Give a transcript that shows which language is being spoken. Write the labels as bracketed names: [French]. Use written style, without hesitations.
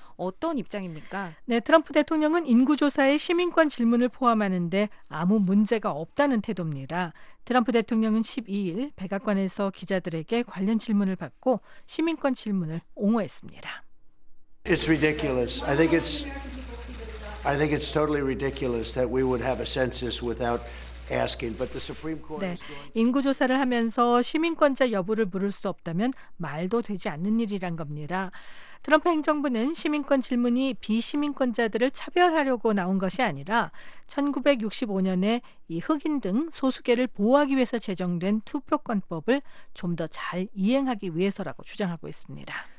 [Korean] 어떤 입장입니까? 네, 트럼프 대통령은 인구조사에 시민권 질문을 포함하는데 아무 문제가 없다는 태도입니다. 트럼프 대통령은 12일 백악관에서 기자들에게 관련 질문을 받고 시민권 질문을 옹호했습니다. [English] It's ridiculous. I think it's totally ridiculous that we would have a census without asking, but the Supreme Court. [Korean] 네, 인구조사를 하면서 시민권자 여부를 물을 수 없다면 말도 되지 않는 일이란 겁니다. 트럼프 행정부는 시민권 질문이 비시민권자들을 차별하려고 나온 것이 아니라 1965년에 이 흑인 등 소수계를 보호하기 위해서 제정된 투표권법을 좀 더 잘 이행하기 위해서라고 주장하고 있습니다.